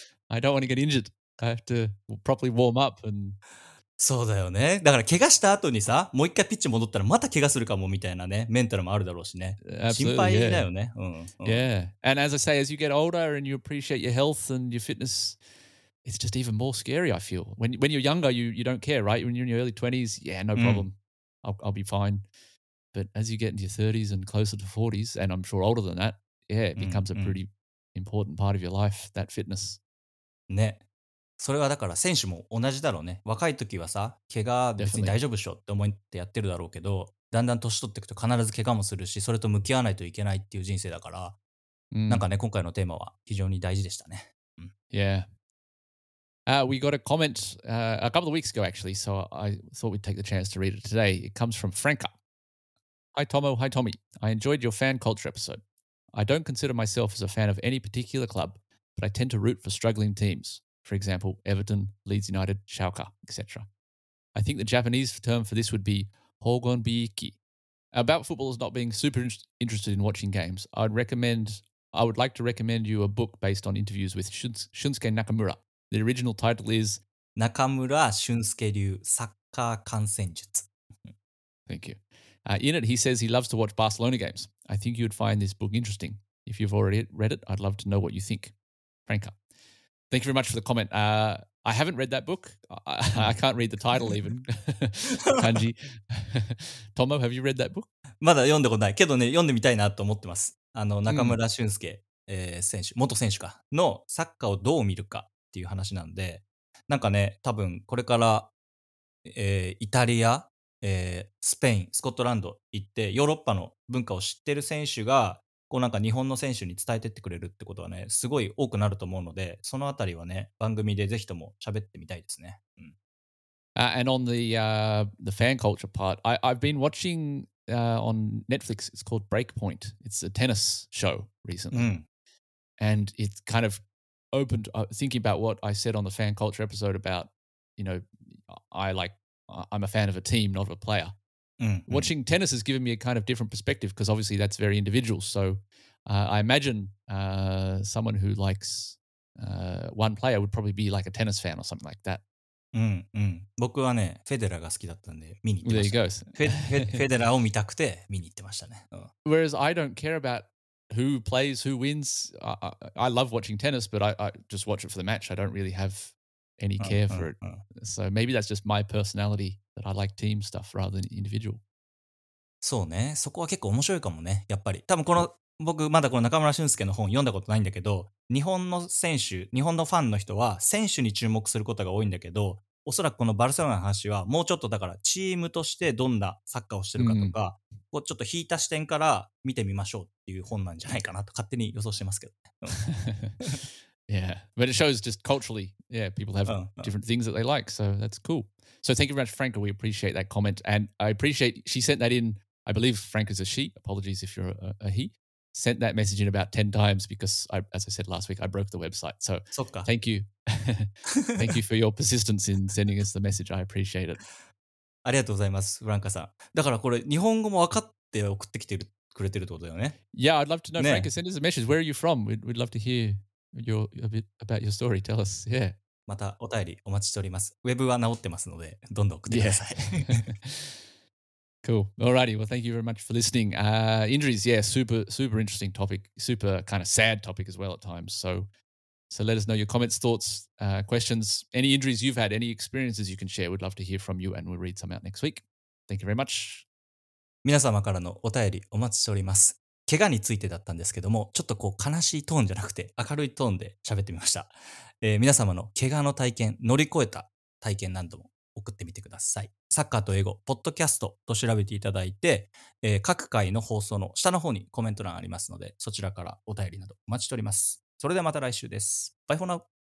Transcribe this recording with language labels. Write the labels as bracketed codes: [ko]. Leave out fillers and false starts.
[en] I don't want to get injured. I have to properly warm up. And... [ja] そうだよね。だから怪我した後にさ、もう一回ピッチ戻ったらまた怪我するかもみたいなね、メンタルもあるだろうしね。 [en] Absolutely, [ja] 心配だよね。 [en] Yeah. And as I say, as you get older and you appreciate your health and your fitness... It's just even more scary, I feel. When you're younger, you don't care, right? When you're in your early 20s, yeah, no problem. I'll be fine. But as you get into your 30s and closer to 40s, and I'm sure older than that, yeah, it becomes a pretty important part of your life, that fitness. [ja] ね。それはだから選手も同じだろうね。若い時はさ、怪我別に大丈夫でしょって思ってやってるだろうけど、だんだん年取っていくと必ず怪我もするし、それと向き合わないといけないっていう人生だから、なんかね、今回のテーマは非常に大事でしたね。 [en] Yeah. We got a comment a couple of weeks ago, actually, so I thought we'd take the chance to read it today. It comes from Franca. Hi, Tomo. Hi, Tommy. I enjoyed your fan culture episode. I don't consider myself as a fan of any particular club, but I tend to root for struggling teams. For example, Everton, Leeds United, Schalke, etc. I think the Japanese term for this would be hogonbiki. About footballers not being super interested in watching games, I would like to recommend you a book based on interviews with Shunsuke Nakamura. The original title is Nakamura Shunsuke Ryu Sakka Kansenjutsu. Thank you. In it, he says he loves to watch Barcelona games. I think you would find this book interesting. If you've already read it, I'd love to know what you think. Franca. Thank you very much for the comment. I haven't read that book. I can't read the title even. Kanji. Tomo, have you read that book? [ja] まだ読んでこない。けどね、読んでみたいなと思ってます。あの、中村俊介、選手、元選手か、のサッカーをどう見るかっていう話なんで、なんかね、多分これから、イタリア、スペイン、スコットランド行って、ヨーロッパの文化を知ってる選手が、こうなんか日本の選手に伝えてってくれるってことはね、すごい多くなると思うので、そのあたりはね、番組でぜひとも喋ってみたいですね。 [en] うん、and on the fan culture part, I've been watching on Netflix, it's called Breakpoint. It's a tennis show recently.、うん、and it's kind of opened, thinking about what I said on the fan culture episode about, you know, I'm a fan of a team, not of a player. Mm-hmm. Watching tennis has given me a kind of different perspective because obviously that's very individual. So I imagine someone who likes one player would probably be like a tennis fan or something like that. Mm-hmm. [ja] 僕はね、フェデラーが好きだったんで見に行ってました。 [en] There you go. [ja] フェデラーを見たくて見に行ってましたね。 [en] Whereas I don't care about who plays, who wins. I love watching tennis, but I just watch it for the match. I don't really have any care for it. So maybe that's just my personality. That I like team stuff rather than individual. [ja] そうね。そこは結構面白いかもね。やっぱり。多分この、僕まだこの中村俊介の本読んだことないんだけど、日本の選手、日本のファンの人は選手に注目することが多いんだけど、おそらくこのバルセロナの話はもうちょっとだからチームとしてどんなサッカーをしてるかとか、うん、こうちょっと引いた視点から見てみましょうっていう本なんじゃないかなと勝手に予想してますけどね。 [en] Yeah, but it shows just culturally, yeah, people have different things that they like, so that's cool. So thank you very much, Franca. We appreciate that comment. And I appreciate she sent that in, I believe Franca's a she, apologies if you're a he, sent that message in about 10 times because, as I said last week, I broke the website. So thank you. Thank you for your persistence in sending us the message. I appreciate it. [ja] ありがとうございます、フランカさん。だからこれ日本語も分かって送ってきてるくれてるってことだよね。 [en] Yeah, I'd love to know,、ね、Franca, send us a message. Where are you from? We'd love to hear... You're a bit about your story. Tell us. Yeah. [ja] またお便りお待ちしております。ウェブは直ってますので、どんどん送ってください。 [en] Yeah. Cool. Alrighty. Well, thank you very much for listening. Injuries. Yeah. Super, super interesting topic. Super kind of sad topic as well at times. So let us know your comments, thoughts, questions, any injuries you've had, any experiences you can share. We'd love to hear from you and we'll read some out next week. Thank you very much. [ja] 皆様からのお便りお待ちしております。怪我についてだったんですけども、ちょっとこう悲しいトーンじゃなくて明るいトーンで喋ってみました。皆様の怪我の体験、乗り越えた体験何度も送ってみてください。サッカーと英語、ポッドキャストと調べていただいて、各回の放送の下の方にコメント欄ありますので、そちらからお便りなどお待ちしております。それではまた来週です。 [en] バイフォーナウ。